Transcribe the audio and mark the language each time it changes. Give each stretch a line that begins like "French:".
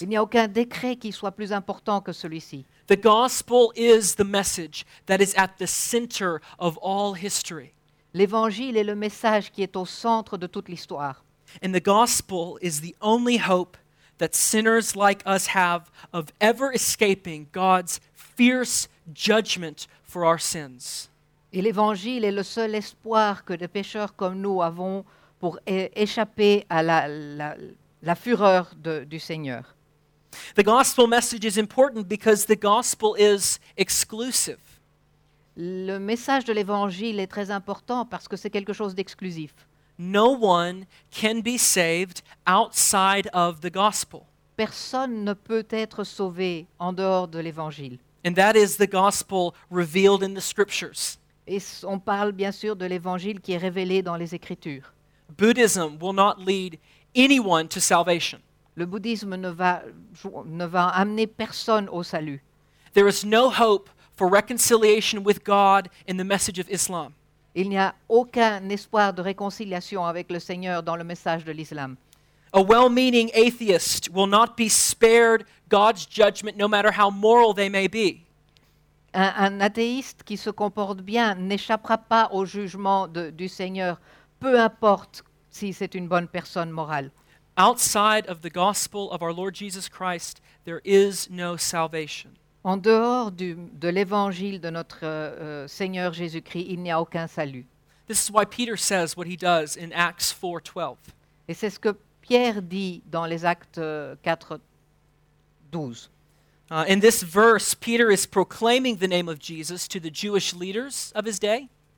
French: Il n'y a aucun décret qui soit plus important que celui-ci.
English: The gospel is the message that is at the center of all history.
French: L'évangile est le message qui est au centre de toute l'histoire.
English: And the gospel is the only hope that sinners like us have of ever escaping God's fierce judgment for our sins.
French: Et l'évangile est le seul espoir que des pécheurs comme nous avons pour échapper à la fureur du Seigneur.
English: The gospel message is important because the gospel is exclusive.
French: Le message de l'évangile est très important parce que c'est quelque chose d'exclusif.
English: No one can be saved outside of the gospel.
French: Personne ne peut être sauvé en dehors de l'évangile.
English: And that is the gospel revealed in the scriptures.
French: Et on parle bien sûr de l'évangile qui est révélé dans les Écritures.
English: Buddhism will not lead anyone to salvation.
French: Le bouddhisme ne va amener personne au salut.
English: There is no hope for reconciliation with God in the message of Islam.
French: Il n'y a aucun espoir de réconciliation avec le Seigneur dans le message de l'islam.
English: A well-meaning atheist will not be spared God's judgment, no matter how moral they may be.
French: Un athéiste qui se comporte bien n'échappera pas au jugement du Seigneur, peu importe si c'est une bonne personne morale.
English: Outside of the gospel of our Lord Jesus Christ, there is no salvation.
French: En dehors de l'évangile de notre Seigneur Jésus-Christ, il n'y a aucun salut.
English: This is why Peter says what he does in Acts 4:12.
French: Et c'est ce que Pierre dit dans les Actes 4:12.
English: In this verse, Peter is proclaiming the name of Jesus to the Jewish leaders of his day.